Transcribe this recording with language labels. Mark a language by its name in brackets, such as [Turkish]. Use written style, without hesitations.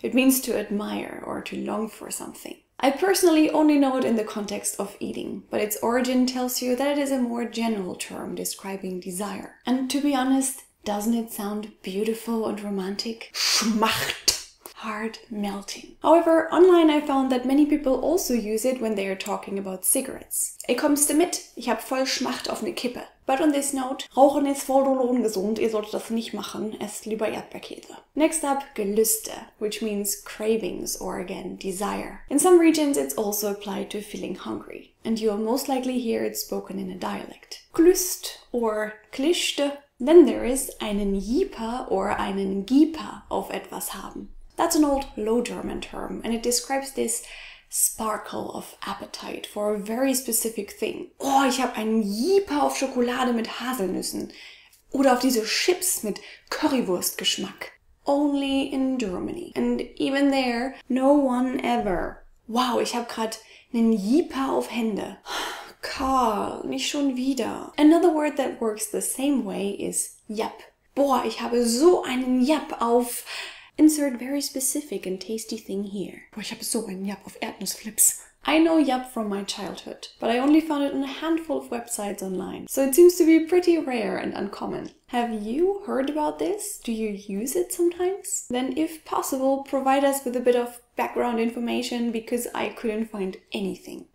[English] It means to admire or to long for something. I personally only know it in the context of eating, but its origin tells you that it is a more general term describing desire. And to be honest, doesn't it sound beautiful and romantic? Schmacht! Heart melting. However, online I found that many people also use it when they are talking about cigarettes. [German] Ich komm's damit, ich hab voll Schmacht auf ne Kippe. [English] But on this note, [German] Rauchen ist voll ungesund, ihr solltet das nicht machen, esst lieber Erdbeerkäse. [English] Next up, Gelüste, which means cravings or again, desire. In some regions it's also applied to feeling hungry, and you'll most likely hear it spoken in a dialect. Glüst or Klischte. Then there is [German] einen Jieper or einen Gieper auf etwas haben. [English] That's an old Low German term, and it describes this sparkle of appetite for a very specific thing. [German] Oh, ich habe einen Jieper auf Schokolade mit Haselnüssen. Oder auf diese Chips mit Currywurstgeschmack. [English] Only in Germany. And even there, no one ever. [German] Wow, ich habe gerade einen Jieper auf Hände. Karl, nicht schon wieder. [English] Another word that works the same way is Japp. [German] Boah, ich habe so einen Japp auf... [English] Insert very specific and tasty thing here. [German] Boah, ich habe so einen Japp auf Erdnussflips. [English] I know Yap from my childhood, but I only found it on a handful of websites online, so it seems to be pretty rare and uncommon. Have you heard about this? Do you use it sometimes? Then, if possible, provide us with a bit of background information, because I couldn't find anything.